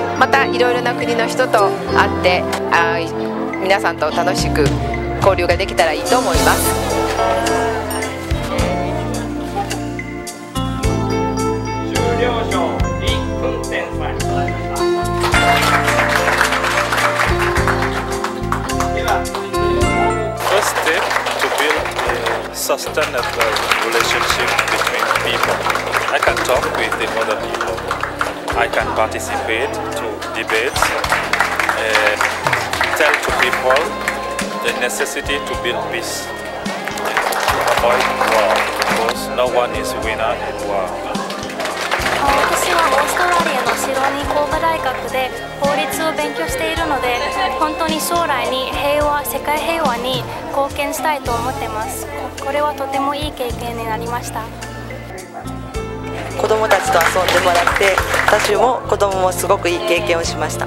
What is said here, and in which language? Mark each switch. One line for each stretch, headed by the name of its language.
Japanese: またいろいろな国の人と会って、皆さんと楽しく交流ができたらいいと思います。終了賞1分前となりました。では続いて
English: First step to build a sustainable relationship between people. I can talk with the other peopleI can participate to debates, tell to people the necessity to build peace, to avoid war, because no one is winner in war.
Japanese: 私はオーストラリアのシドニー工科大学で法律を勉強しているので、本当に将来に平和、世界平和に貢献したいと思ってます。これはとてもいい経験になりました。子供たちと遊んでもらって、私も子供もすごくいい経験をしました。